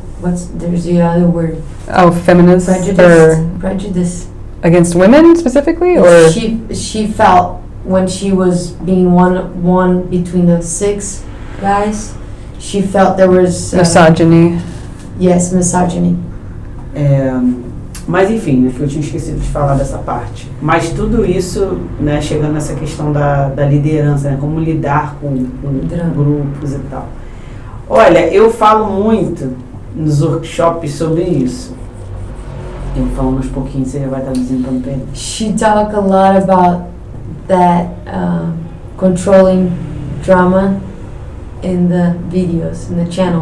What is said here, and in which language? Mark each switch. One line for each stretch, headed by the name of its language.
English: What's there's the other word? Oh, feminist. Prejudice. Against women specifically, or she felt when she was being one between the six guys, she felt there was misogyny. Yes, misogyny.
Portuguese: Mas enfim, eu tinha esquecido de falar dessa parte. Mas tudo isso, né, chegando nessa questão da liderança, né, como lidar com grupos e tal. Olha, eu falo muito nos workshops sobre isso. Eu falo uns pouquinhos, você já vai traduzindo para o pé.
English: She talk a lot about that controlling drama in the videos, in the channel.